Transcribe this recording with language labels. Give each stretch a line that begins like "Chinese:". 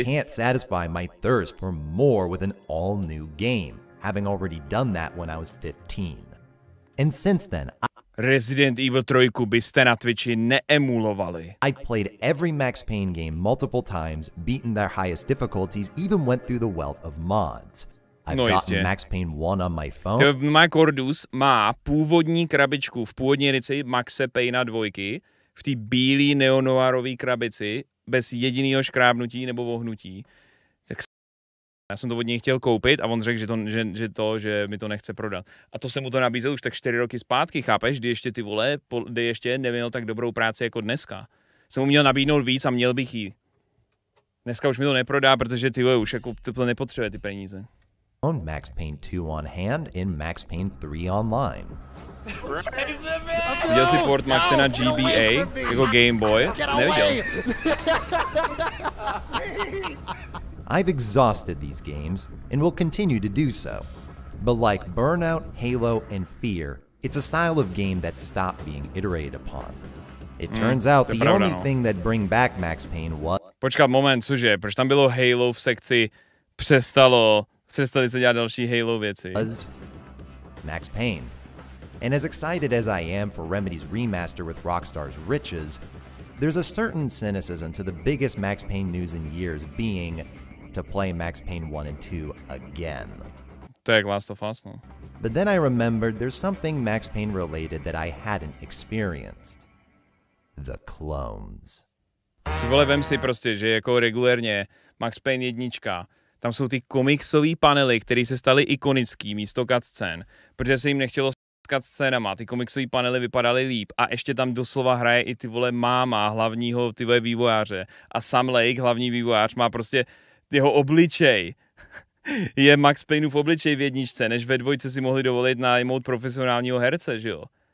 English: I can't satisfy my thirst for more with an all new game, having already done that when I was 15. And since then,
Czech: Resident Evil 3 byste na Twitchi neemulovali.
English: I've played every Max Payne game multiple times, beaten their highest difficulties, even went through the wealth of mods. I've no, gotten Max Payne 1 on my phone.
Czech: My Cordus má původní krabičku v původní edici Maxe Payna 2 v té bílé neonoárové krabici bez jediného škrábnutí nebo ohnutí. Já jsem to od něj chtěl koupit a on řekl, že mi to nechce prodat. A to jsem mu to nabízel už tak 4 roky zpátky, chápeš? Kdy ještě ty vole, kdy ještě neměl tak dobrou práci jako dneska. Jsem mu měl nabídnout víc a měl bych jí. Dneska už mi to neprodá, protože ty vole už jako to nepotřebuje ty peníze.
English: On Max Payne 2 on hand in Max Payne 3 online.
Czech: Viděl jsi port Maxe na GBA jako GameBoy? Neviděl.
English: I've exhausted these games, and will continue to do so. But like Burnout, Halo, and Fear, it's a style of game that stopped being iterated upon. It turns out the only thing that bring back Max Payne was...
Czech: Počkat, moment, cože, proč tam bylo Halo v sekci, přestali se dělat další Halo věci?
English: ...was Max Payne. And as excited as I am for Remedy's remaster with Rockstar's riches, there's a certain cynicism to the biggest Max Payne news in years being... to play Max Payne 1 and 2 again. Tag Last of Us, no. But then I remembered there's something Max Payne related that I hadn't experienced. The clones.
Czech: Ty vole, vem si prostě, že jako regulérně Max Payne 1, tam jsou ty komiksový panely, které se staly ikonický místo cutscén, protože se jim nechtělo s cutscénama, ty komiksový panely vypadaly líp a ještě tam doslova hraje i ty vole máma hlavního ty vole vývojáře a Sam Lake, hlavní vývojář, má prostě jeho obličej je Max Payneův obličej v jedničce, než ve dvojce si mohli dovolit najmout profesionálního herce, že jo?